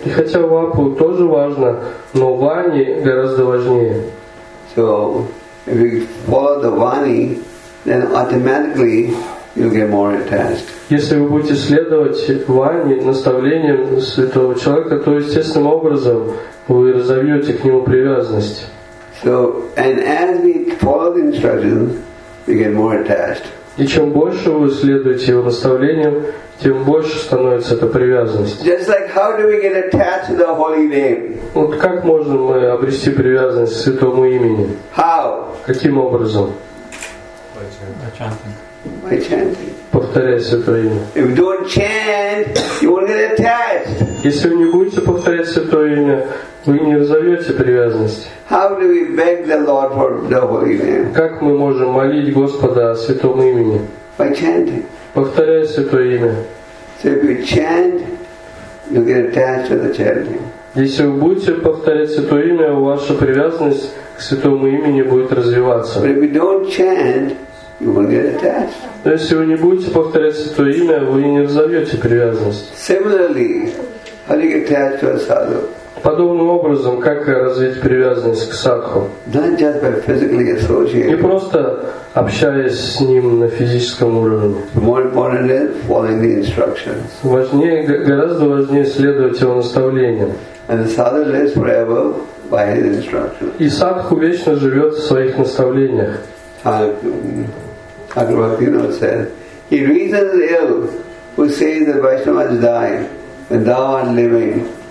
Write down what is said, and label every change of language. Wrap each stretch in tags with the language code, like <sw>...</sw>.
<ru>И хотя Вапу тоже важно, но Вани гораздо важнее.</ru> <en>So, if you follow the Vani, then automatically you'll get more attached.</en> <ru>Если вы будете следовать Вани, наставлениям святого человека, то естественным образом вы разовьете к нему привязанность.</ru> <en>So, and as we follow the instructions, we get more attached.</en> <ru>И чем больше вы следуете его наставлениям, тем больше становится эта привязанность.</ru> <en>Just like how do we get attached to the holy name?</en> <ru>Вот как можем мы обрести привязанность к святому имени?</ru> <en>How?</en> <ru>Каким образом?</ru> <en>By chanting.</en> <ru>Повторяя святое имя.</ru> <en>If you don't chant, you won't get attached.</en> <ru>Если вы не будете повторять святое имя, вы не разовьете привязанность.</ru> <en>How do we beg the Lord for the holy name?</en> <ru>Как мы можем молить Господа о святом имени?</ru> <en>By chanting.</en> <ru>Повторяя святое имя.</ru> <en>So if you chant, you get attached to the chanting.</en> <ru>Если вы будете повторять святое имя, ваша привязанность к святому имени будет развиваться.</ru> <en>But if you don't chant, you will get attached.</en> <ru>Но если вы не будете повторять святое имя, вы не разовьете привязанность.</ru> <en>Similarly, how do you get attached to a sadhu?</en> <ru>Подобным образом, как развить привязанность к садху?</ru> <en>Not just by physically associating.</en> <ru>Не просто общаясь с ним на физическом уровне.</ru> <en>More important is following the instructions.</en> <ru>Важнее, гораздо важнее следовать его наставлениям.</ru> <en>And the sadhu lives forever by his instructions.</en> <ru>И садху вечно живет в своих наставлениях.</ru> <en>Agrabhaktivinoda said, he reasons ill who says that Vaishnavas die and thou art living.</en>